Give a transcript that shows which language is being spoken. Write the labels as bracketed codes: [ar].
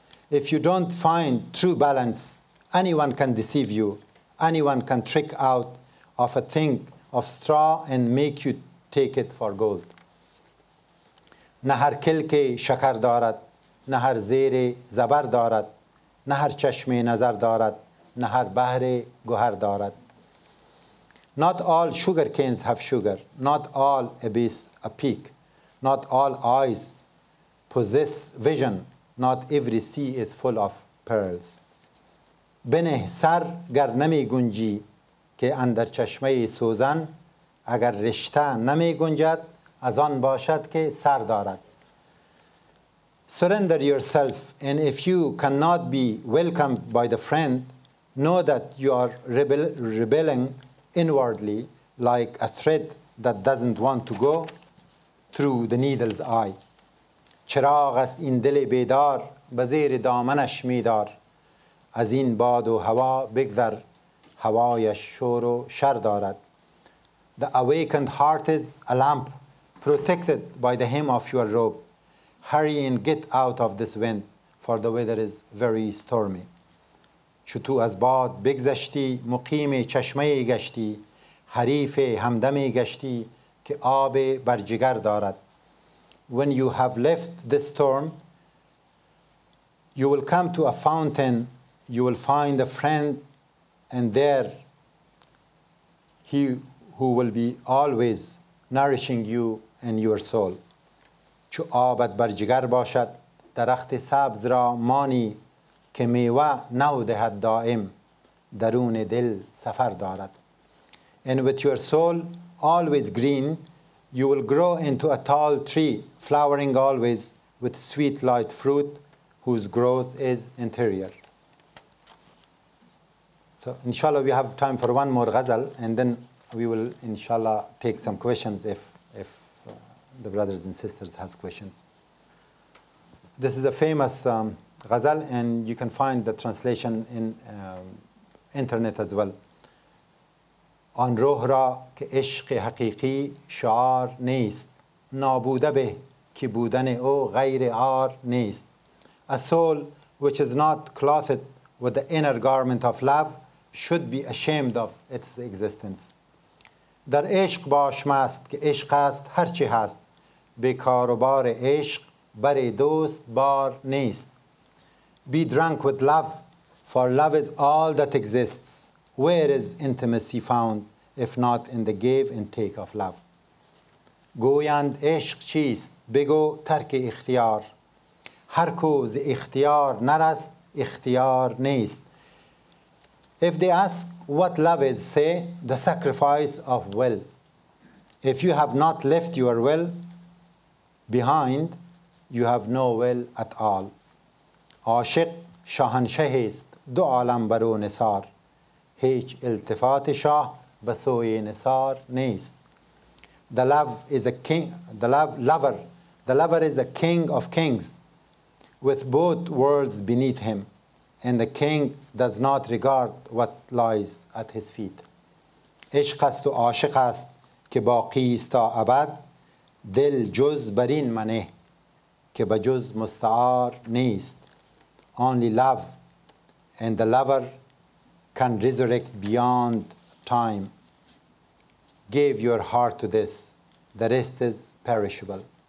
[en] If you don't find true balance, anyone can deceive you. Anyone can trick out of a thing of straw and make you take it for gold. [fa] نه هر کلک شکر دارد، نه هر زیر زبر دارد، نه هر چشم نظر دارد، نه هر بحر گوهر دارد. [en] Not all sugar canes have sugar. Not all abyss a peak. Not all eyes possess vision. Not every sea is full of pearls. [fa] بنه سر گر نمی گنجی که اندر چشمه سوزن، اگر رشته نمی گنجد از آن باشد که سر دارد. [en] Surrender yourself, and if you cannot be welcomed by the friend, know that you are rebelling inwardly like a thread that doesn't want to go through the needle's eye. [fa] چراغ است این دل بیدار، به زیر دامنش میدار، از این باد و هوا بگذر، هوایش شور و شر دارد. [en] The awakened heart is a lamp protected by the hem of your robe. Hurry and get out of this wind, for the weather is very stormy. [fa] چو تو از باد بگذشتی، مقیم چشمه گشتی، حریف همدم گشتی که آب بر جگر دارد. [en] When you have left this storm, you will come to a fountain, you will find a friend, and there he who will be always nourishing you and your soul. [fa] چو آبت بر جگر باشد، درخت سبز را مانی که میوه نو دهد دائم، درون دل سفر دارد. [en] And with your soul always green, you will grow into a tall tree, flowering always with sweet light fruit, whose growth is interior. So inshallah we have time for one more ghazal, and then we will inshallah take some questions if the brothers and sisters has questions. This is a famous ghazal, and you can find the translation in internet as well. [fa] آن روح را که عشق حقیقی شعار نیست نابوده به که بودن او غیر آر نیست. [en] A soul which is not clothed with the inner garment of love should be ashamed of its existence. [fa] در عشق باش مست که عشق است هرچی هست به کار و بار عشق بر دوست بار نیست. [en] Be drunk with love, for love is all that exists. Where is intimacy found if not in the give and take of love? [fa] گویند عشق چیست؟ بگو ترک اختیار. هر کو ز اختیار نرست اختیار نیست. [en] If they ask what love is, say the sacrifice of will. If you have not left your will behind, you have no will at all. [fa] عاشق شاهنشه است دو عالم بر او نثار. هیچ التفات شاه به سوی نثار نیست. [en] The love is a king, the lover is a king of kings with both worlds beneath him, and the king does not regard what lies at his feet. [fa] عشق است و عاشق است که باقی است تا ابد دل جز بر این منه که به جز مستعار نیست. [en] Only love and the lover can resurrect beyond time. Give your heart to this, the rest is perishable.